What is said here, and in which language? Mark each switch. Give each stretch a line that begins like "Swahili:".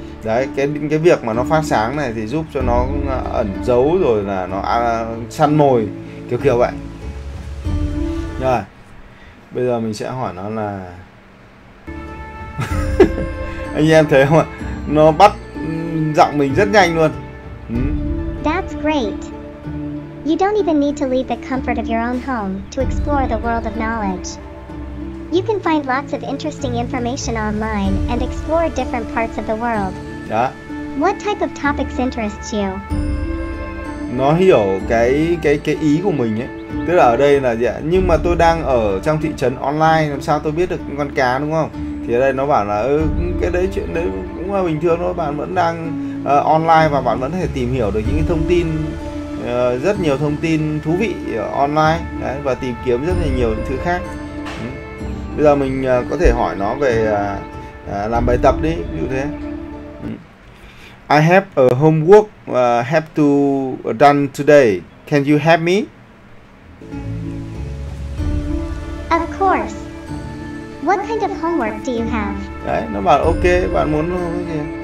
Vietnamese: Đấy, cái việc mà nó phát sáng này thì giúp cho nó ẩn giấu rồi là nó săn mồi kiểu kiểu vậy. Rồi. Bây giờ mình sẽ hỏi nó là anh em thấy không ạ? Nó bắt giọng mình rất nhanh luôn.
English: That's great. You don't even need to leave the comfort of your own home to explore the world of knowledge. You can find lots of interesting information online and explore different parts of the world.
Vietnamese: Đó.
English: What type of topics interest
Vietnamese: Nó hiểu cái ý của mình ấy, tức là ở đây là gì ạ? Nhưng mà tôi đang ở trong thị trấn online, làm sao tôi biết được con cá đúng không? Thì ở đây nó bảo là cái đấy chuyện đấy cũng là bình thường thôi, bạn vẫn đang online và bạn vẫn có thể tìm hiểu được những cái thông tin, rất nhiều thông tin thú vị online đấy, và tìm kiếm rất là nhiều những thứ khác. Bây giờ mình có thể hỏi nó về làm bài tập đi, ví dụ thế.
English: I have a homework have to done today. Can you help me? Of course. What kind of homework do you have?
Vietnamese: Đấy, nó bảo ok, bạn muốn cái gì?